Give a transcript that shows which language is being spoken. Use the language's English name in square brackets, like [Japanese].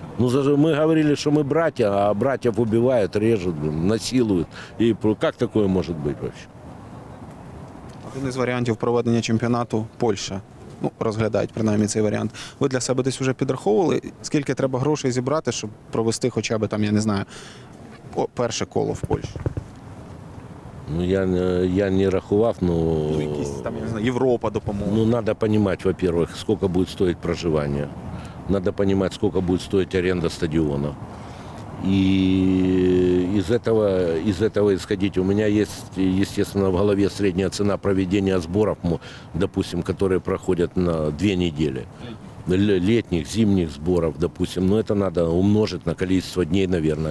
[Russian] Ну, мы говорили, что мы братья, а братьев убивают, режут, насилуют. И как такое может быть вообще? Один из вариантов проведения чемпионата – Польша. [Ukrainian] Ну, розглядають, принаймні, цей варіант. Ви для себе десь вже підраховували, скільки треба грошей зібрати, щоб провести хоча б, там, я не знаю, перше коло в Польщі? Ну, я не рахував, но... Ну, якісь там, я не знаю, Європа допомога. Ну, треба розуміти, во-первых, скільки буде стоїти проживання. Треба розуміти, скільки буде стоїти аренда стадіону. [Russian] И из этого исходить. У меня есть, естественно, в голове средняя цена проведения сборов, допустим, которые проходят на 2 недели. Летних, зимних сборов, допустим. Но это надо умножить на количество дней, наверное.